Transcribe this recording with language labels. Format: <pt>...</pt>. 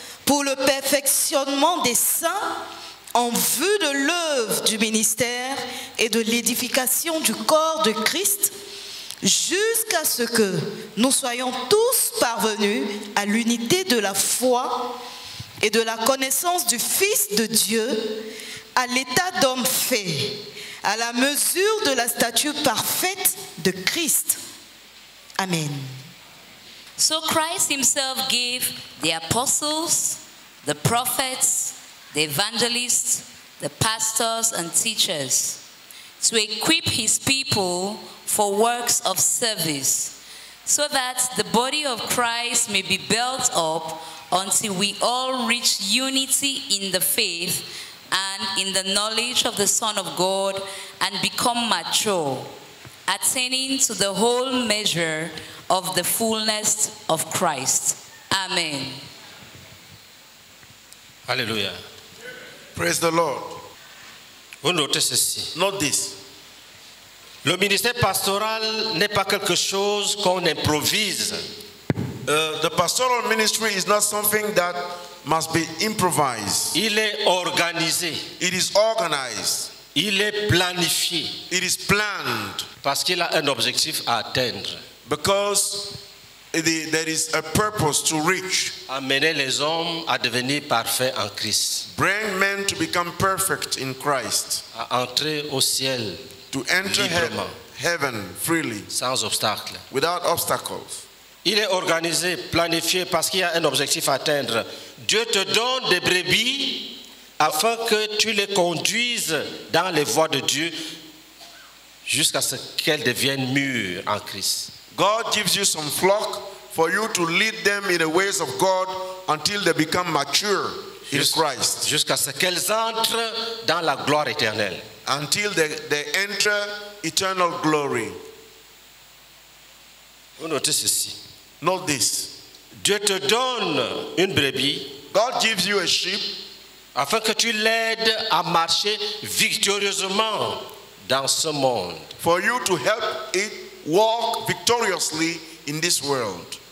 <fr>pour le perfectionnement des saints en vue de l'œuvre du ministère et de l'édification du corps de Christ, jusqu'à ce que nous soyons tous parvenus à l'unité de la foi et de la connaissance du Fils de Dieu, à l'état d'homme fait, à la mesure de la stature parfaite de Christ. Amen.</fr> <en>So Christ himself gave the apostles, the prophets, the evangelists, the pastors and teachers to equip his people for works of service, so that the body of Christ may be built up until we all reach unity in the faith and in the knowledge of the Son of God and become mature, attaining to the whole measure of the fullness of Christ. Amen. Hallelujah. Praise the Lord.</en> <fr>Vous notez ceci.</fr> <en>Note this.</en> <fr>Le ministère pastoral n'est pas quelque chose qu'on improvise.</fr> <en>The pastoral ministry is not something that must be improvised.</en> <fr>Il est organisé.</fr> <en>It is organized.</en> <fr>Il est planifié.</fr> <en>It is planned.</en> <fr>Parce qu'il a un objectif à atteindre.</fr> <en>Because there is a purpose to reach.</en> <fr>Amener les hommes à devenir parfaits en Christ.</fr> <en>Bring men to become perfect in Christ.</en> <fr>À entrer au ciel.</fr> <en>To enter heaven freely.</en> <fr>Sans obstacle.</fr> <en>Without obstacles.</en> <fr>Il est organisé, planifié parce qu'il y a un objectif à atteindre. Dieu te donne des brebis afin que tu les conduises dans les voies de Dieu jusqu'à ce qu'elles deviennent mûres en Christ.</fr> <en>God gives you some flock for you to lead them in the ways of God until they become mature in Christ.</en> <fr>Jusqu'à ce qu'elles entrent dans la gloire éternelle.</fr> <en>Until they enter eternal glory.</en> <fr>Note ceci.</fr> <en>Note this.</en> <fr>Dieu te donne une brebis.</fr> <en>God gives you a sheep.</en> <fr>Afin que tu l'aides à marcher victorieusement dans ce monde.</fr> <en>For you to help it walk victoriously in this world.</en>